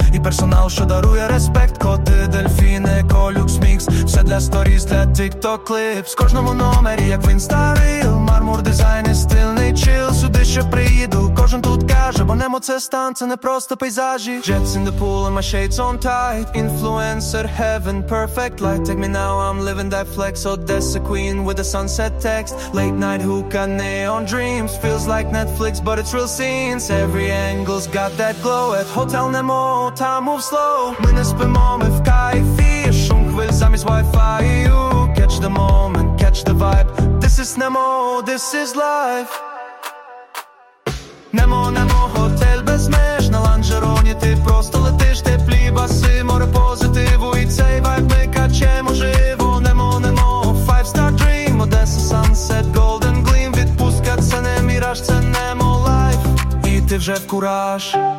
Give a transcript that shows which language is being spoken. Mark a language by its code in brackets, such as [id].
[uk] Персонал, що дарує респект, коти, дельфіни, колюкс, мікс. Все для сторіз, для тік-ток кліпс. В кожному номері, як в інстарил. Мармур, дизайн і стильний чил. Сюди ще приїду, кожен тут каже, бо Nemo це стан, це не просто пейзажі. [en] Jets in the pool and my shades on tight. Influencer, heaven, perfect light. Take me now, I'm living that flex. Odessa queen with a sunset text. Late night hookah, neon dreams. Feels like Netflix, but it's real scenes. Every angle's got that glow. At Hotel Nemo, time moves slow. [uk] Ми не спимо, ми в кайфі. Шум хвиль замість Wi-Fi. [en] You catch the moment, catch the vibe. This is Nemo, this is life. [uk] Nemo, Nemo, готель без меж. На ланжероні ти просто летиш. Теплі баси, море позитиву. І цей вайб ми качемо живо. [en] Nemo, Nemo, five star dream. Odessa sunset, golden gleam. [uk] Відпустка, це не міраж, це Nemo life. І ти вже в кураж.